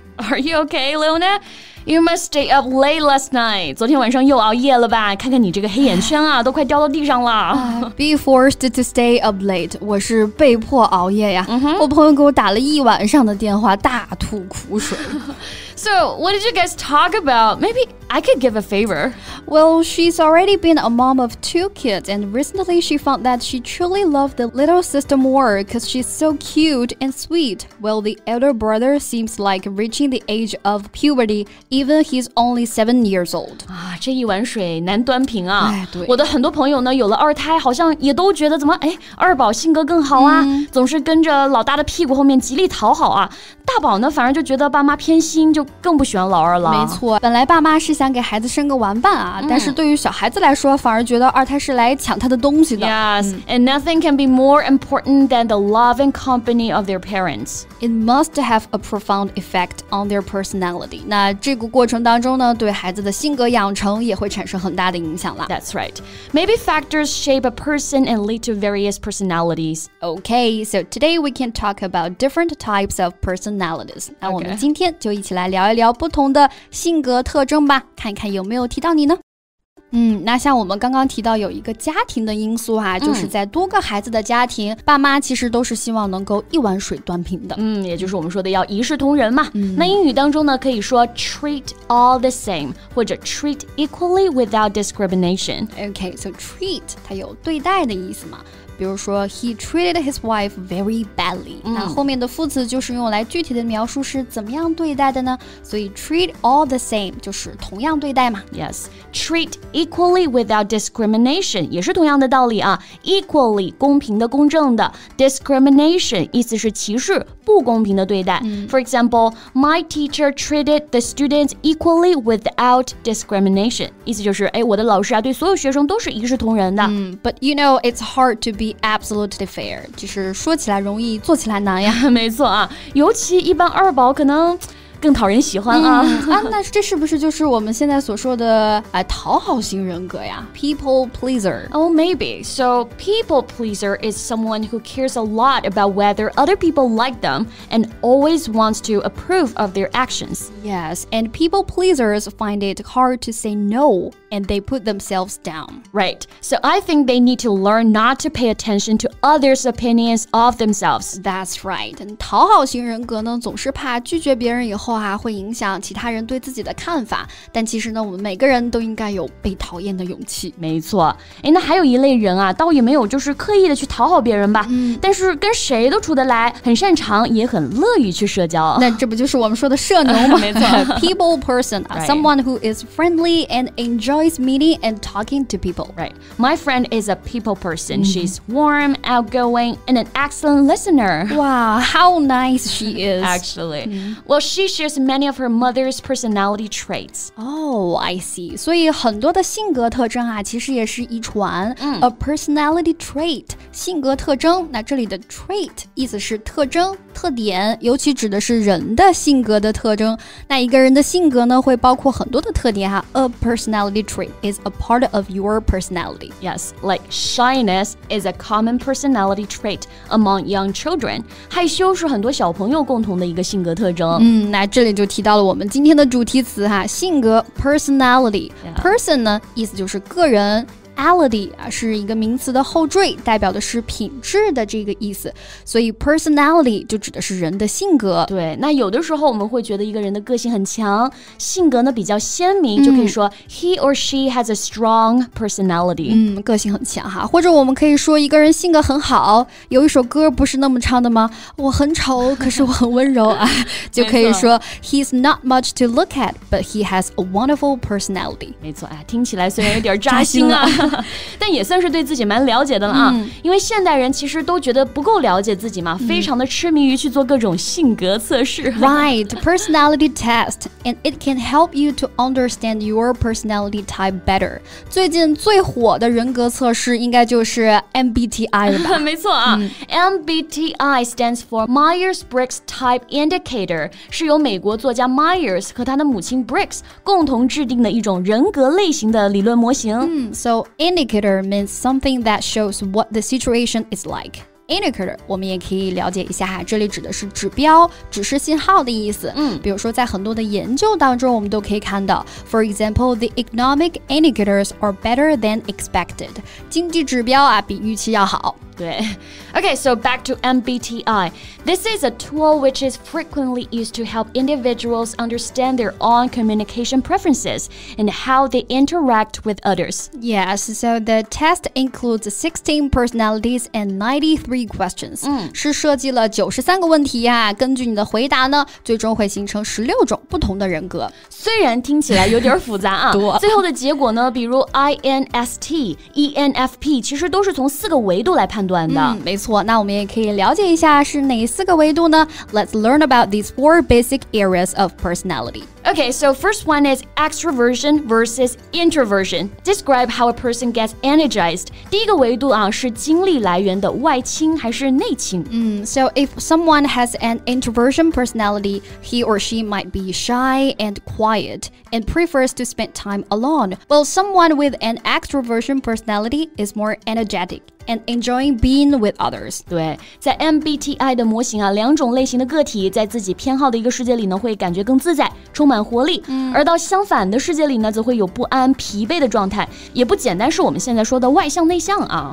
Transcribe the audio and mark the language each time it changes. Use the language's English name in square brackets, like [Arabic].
[English] Are you okay, Leona? You must stay up late last night. [Chinese] 昨天晚上又熬夜了吧？看看你这个黑眼圈啊，都快掉到地上了。 [English] Be forced to stay up late. [Chinese] 我是被迫熬夜呀。我朋友给我打了一晚上的电话，大吐苦水。 [English] So, what did you guys talk about? Maybe I could give a favor. Well, she's already been a mom of two kids, and recently she found that she truly loved the little sister more because she's so cute and sweet. Well, the elder brother seems like reaching the age of puberty, even he's only 7 years old. [Chinese] 啊，这一碗水难端平啊。哎，对。我的很多朋友呢，有了二胎，好像也都觉得怎么，哎，二宝性格更好啊，总是跟着老大的屁股后面极力讨好啊。大宝呢，反而就觉得爸妈偏心，就更不喜欢老二了。没错，本来爸妈是想给孩子生个玩伴啊，但是对于小孩子来说，反而觉得二胎是来抢他的东西的。 [English] Yes, and nothing can be more important than the love and company of their parents. It must have a profound effect on their personality. [Chinese] 那这个过程当中呢，对孩子的性格养成也会产生很大的影响了。 [English] That's right. Maybe factors shape a person and lead to various personalities. Okay, so today we can talk about different types of personalities. [Chinese] 那我们今天就一起来聊一聊不同的性格特征吧，看看有没有提到你呢。那像我们刚刚提到有一个家庭的因素啊，就是在多个孩子的家庭，爸妈其实都是希望能够一碗水端平的。也就是我们说的要一视同仁嘛。那英语当中呢，可以说 [English] treat all the same [Chinese] 或者 [English] treat equally without discrimination. Okay, so treat [Chinese] 它有对待的意思嘛。比如说 [English] he treated his wife very badly. [Chinese] 那后面的副词就是用来具体的描述是怎么样对待的呢？所以 [English] treat all the same [Chinese] 就是同样对待嘛。 [English] Yes, treat equally without discrimination [Chinese] 也是同样的道理啊。 Equally 公平的公正的 discrimination 意思是歧视不公平的对待。 [English] For example, my teacher treated the students equally without discrimination. [Chinese] 意思就是我的老师啊对所有学生都是一视同仁的。 [English] But you know, it's hard to be absolutely fair. [Chinese] 就是说起来容易做起来难呀。没错啊，尤其一般二宝可能更讨人喜欢啊。那这是不是就是我们现在所说的讨好型人格呀？ [English] People pleaser. Oh, maybe. So people pleaser is someone who cares a lot about whether other people like them and always wants to approve of their actions. Yes, and people pleasers find it hard to say no and they put themselves down. Right. So I think they need to learn not to pay attention to others' opinions of themselves. That's right. [Chinese] 讨好型人格呢，总是怕拒绝别人以后后啊，会影响其他人对自己的看法。但其实呢，我们每个人都应该有被讨厌的勇气。没错。哎，那还有一类人啊，倒也没有就是刻意的去讨好别人吧。但是跟谁都处得来，很擅长也很乐于去社交。那这不就是我们说的社牛吗？没错。 [English] People person, someone who is friendly and enjoys meeting and talking to people. Right. My friend is a people person. She's warm, outgoing, and an excellent listener. Wow, how nice she is. Actually. Well, she shares many of her mother's personality traits. Oh, I see. [Chinese] 所以很多的性格特征啊，其实也是遗传。 [English] A personality trait, [Chinese] 性格特征。那这里的 trait 意思是特征、特点，尤其指的是人的性格的特征。那一个人的性格呢，会包括很多的特点啊。 [English] A personality trait is a part of your personality. Yes, like shyness is a common personality trait among young children. [Chinese] 害羞是很多小朋友共同的一个性格特征。那这里就提到了我们今天的主题词哈，性格 personality. Person 呢，意思就是个人。 personality 是一个名词的后缀，代表的是品质的这个意思，所以 personality 就指的是人的性格。对，那有的时候我们会觉得一个人的个性很强，性格呢比较鲜明，就可以说 [English] he or she has a strong personality。 [Chinese] 嗯，个性很强哈，或者我们可以说一个人性格很好，有一首歌不是那么唱的吗？我很丑，可是我很温柔啊，就可以说 [English] he's not much to look at, but he has a wonderful personality。 [Chinese] 没错，哎，听起来虽然有点扎心啊，但也算是对自己蛮了解的了啊。因为现代人其实都觉得不够了解自己嘛，非常的痴迷于去做各种性格测试。 [English] Right, personality test, and it can help you to understand your personality type better. [Chinese] 最近最火的人格测试应该就是 MBTI 了吧？没错啊， [English] MBTI stands for Myers-Briggs Type Indicator， [Chinese] 是由美国作家 Myers 和他的母亲 Briggs 共同制定的一种人格类型的理论模型。 [English] So indicator means something that shows what the situation is like. [Chinese] Indicator 我们也可以了解一下，这里指的是指标，指示信号的意思。比如说在很多的研究当中我们都可以看到， [English] For example, the economic indicators are better than expected. [Chinese] 经济指标啊比预期要好。对。 [English] Okay, so back to MBTI. This is a tool which is frequently used to help individuals understand their own communication preferences and how they interact with others. Yes, so the test includes 16 personalities and 93 questions. 是设计了93个问题啊，根据你的回答呢，最终会形成16种不同的人格。虽然听起来有点复杂啊，最后的结果呢，比如 INST, ENFP, 其实都是从四个维度来判断。没错，那我们也可以了解一下是哪四个维度呢？ Let's learn about these four basic areas of personality. Okay, so first one is extroversion versus introversion. Describe how a person gets energized. [Chinese] 第一个维度啊，是精力来源的外倾还是内倾？ [English] So if someone has an introversion personality, he or she might be shy and quiet and prefers to spend time alone. While someone with an extroversion personality is more energetic. And enjoying being with others. [Chinese] 对，在 MBTI 的模型啊，两种类型的个体在自己偏好的一个世界里呢，会感觉更自在，充满活力。而到相反的世界里呢，则会有不安、疲惫的状态，也不简单是我们现在说的外向内向啊。